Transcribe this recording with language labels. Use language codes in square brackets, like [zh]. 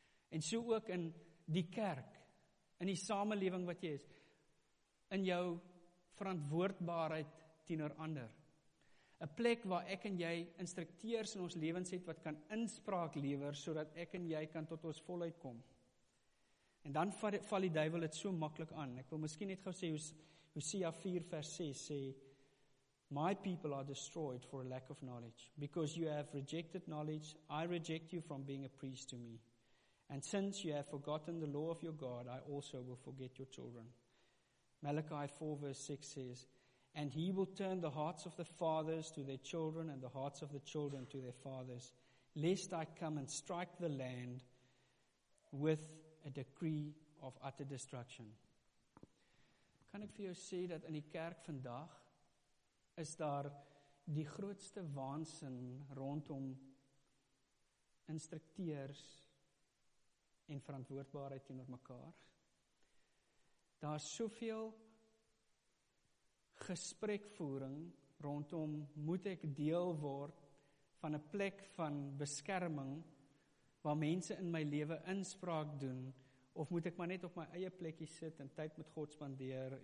[af] En so ook in die kerk, in die samelewing wat jy is, in jou verantwoordbaarheid teenoor ander. 'N Plek waar ek en jy instrukteurs in ons lewens het wat kan inspraak lewer sodat ek en jy kan tot ons voluit kom. En dan val die duivel dit so maklik aan. Ek wil miskien net gou sê Hosea 4 vers 6 sê, [en] "My people are destroyed for a lack of knowledge, because you have rejected knowledge, I reject you from being a priest to me. And since you have forgotten the law of your God, I also will forget your children." Malachi 4 verse 6 says, "And he will turn the hearts of the fathers to their children and the hearts of the children to their fathers, lest I come and strike the land with a decree of utter destruction." [af] Kan ek vir jou sê dat in die kerk vandag is daar die grootste waansin rondom instrukteurs en verantwoordbaarheid teenoor mekaar. Daar is soveel gesprekvoering rondom moet ek deel word van 'n plek van beskerming waar mense in my lewe inspraak doen, of moet ek maar net op my eie plekkie sit en tyd met God spandeer.